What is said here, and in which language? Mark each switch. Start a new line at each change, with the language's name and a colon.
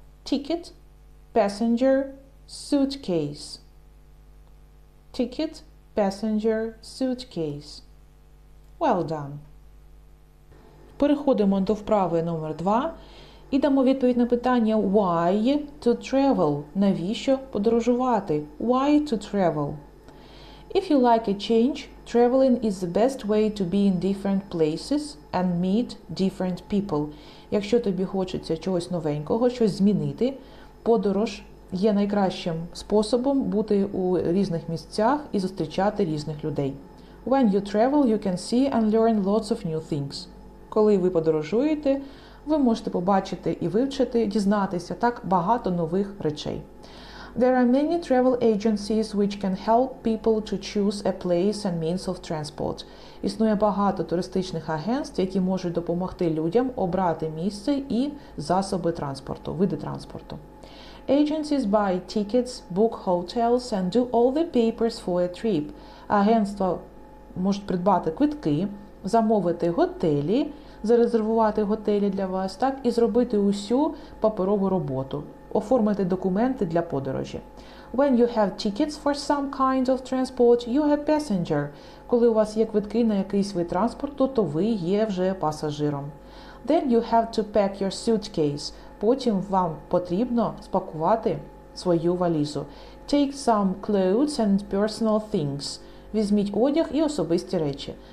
English: Ticket, passenger, suitcase. Ticket, passenger, suitcase. Well done.
Ukrainian: Переходимо до вправи номер 2 і дамо відповідь на питання
English: why to travel?
Ukrainian: Навіщо подорожувати?
English: Why to travel? If you like a change, traveling is the best way to be in different places and meet different people.
Ukrainian: Якщо тобі хочеться чогось новенького, щось змінити, подорож є найкращим способом бути у різних місцях і зустрічати різних людей.
English: When you travel, you can see and learn lots of new things.
Ukrainian: Коли ви подорожуєте, ви можете побачити і вивчити, дізнатися так багато нових речей.
English: There are many travel agencies which can help people to choose a place and means of transport.
Ukrainian: Існує багато туристичних агентств, які можуть допомогти людям обрати місце і засоби транспорту, види транспорту.
English: Agencies buy tickets, book hotels and do all the papers for a trip.
Ukrainian: Агентства можуть придбати квитки, замовити готелі, зарезервувати готелі для вас, так і зробити усю паперову роботу. Оформити документи для подорожі.
English: When you have tickets for some kind of transport, you are a passenger.
Ukrainian: Коли у вас є квитки на якийсь вид транспорту, то ви є вже пасажиром.
English: Then you have to pack your suitcase.
Ukrainian: Потім вам потрібно спакувати свою валізу.
English: Take some clothes and personal things.
Ukrainian: Візьміть одяг і особисті речі.